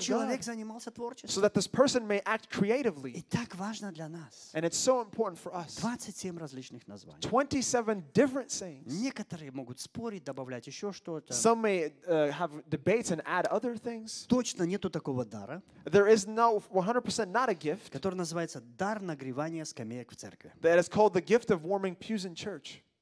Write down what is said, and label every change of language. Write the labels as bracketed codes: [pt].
[ru] Чтобы человек занимался творчеством. [en] So that this person may act creatively. [ru] И так важно для нас. [en] And it's so important for us. [ru] 27 различных названий. [en] 27 different sayings. [ru] Некоторые могут спорить, добавлять еще что-то. [en] Some may have debates and add other things. [ru] Точно нету такого дара. [en] There is no 100% not a gift. [ru] Который называется дар нагревания скамеек в церкви. [en] That is called the gift of warming pews in church.